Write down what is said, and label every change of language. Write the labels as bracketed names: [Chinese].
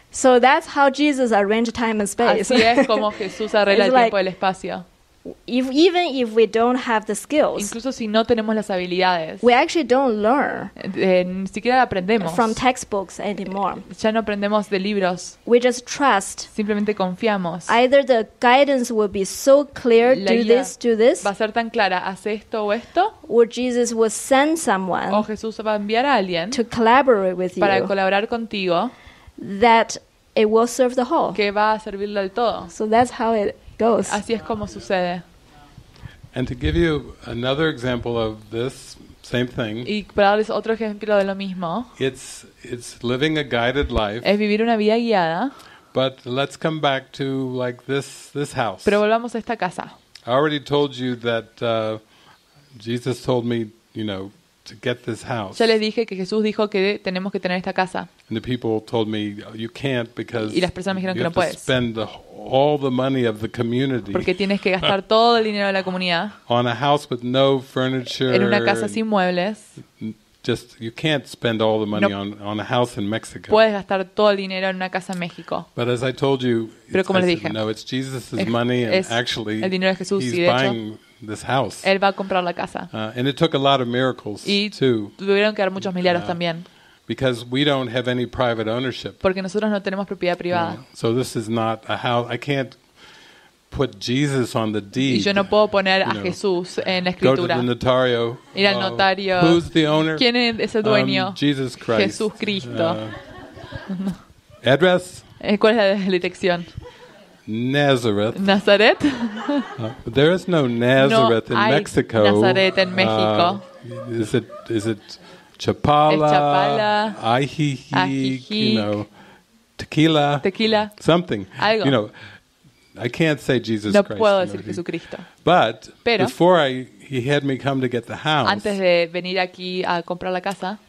[English] So that's how Jesus arranged time and space. [Spanish] Así es como Jesús arregla el tiempo y el espacio. [English] Even if we don't have the skills, [Spanish] incluso si no tenemos las habilidades, [English] we actually don't learn. [Spanish] Ni siquiera aprendemos. [English] From textbooks anymore. [Spanish] Ya no aprendemos de libros. [English] We just trust. [Spanish] Simplemente confiamos. [English] Either the guidance will be so clear, [Spanish] la guía [English] do this, [Spanish] va a ser tan clara, haz esto o esto. [English] Or Jesus will send someone. [Spanish] O Jesús va a enviar a alguien. [English] To collaborate with [Spanish] para [English] you. [Spanish] Para colaborar contigo. [English] That it will serve the whole. [Spanish] Que va a servirle al todo. [English] So that's how it goes. [Spanish] Así es como sucede. [English] And to give you another example of this same thing. [Spanish] Y para darles otro ejemplo de lo mismo. [English] It's living a guided life. [Spanish] Es vivir una vida guiada. [English] But let's come back to like this house. [Spanish] Pero volvamos a esta casa. [English] I already told you that Jesus told me, you know, to get this house. [Spanish] Ya les dije que Jesús dijo que tenemos que tener esta casa. [English] And the people told me you can't because [Spanish] y las personas me dijeron que no puedes. [English] Spend all the money of the community. [Spanish] Porque tienes que gastar todo el dinero de la comunidad. [English] On a house with no furniture. [Spanish] En una casa sin muebles. [English] Just you can't spend all the money on a house in Mexico. [Spanish] Puedes gastar todo el dinero en una casa en México. [English] But as I told you, [Spanish] pero como les dije, [English] no, it's Jesus' money and actually [Spanish] el dinero de Jesús, [English] he's [Spanish] y de hecho, [English] buying this house. [Spanish] Él va a comprar la casa. [English] And it took a lot of miracles too. [Spanish] Y tuvieron que dar muchos milagros también. [English] Because we don't have any private ownership. [Spanish] Porque nosotros no tenemos propiedad privada. [English] So this is not a house. I can't put Jesus on the deed. [Spanish] Y yo no puedo poner a Jesús en la escritura. [English] Go to the notario. [Spanish] Ir al notario. [English] Who's the owner? [Spanish] ¿Quién es el dueño? [English] Jesus Christ. [Spanish] Jesús Cristo. [English] Address? [Spanish] ¿Cuál es la dirección? [English] Nazareth. [Spanish] Nazaret. [English] There is no Nazareth in Mexico. [Spanish] No hay Nazaret en México. [English] Is it Chapala? [Spanish] Ajijic. [English] You know, tequila. [Spanish] Tequila. [English] Something. [Spanish] Algo. [English] You know, I can't say Jesus [Spanish] no [English] Christ. [Spanish] Puedo decir no, Jesucristo. [English] But [Spanish] pero, [English] before he had me come to get the house. [Spanish] Antes de venir aquí a comprar la casa.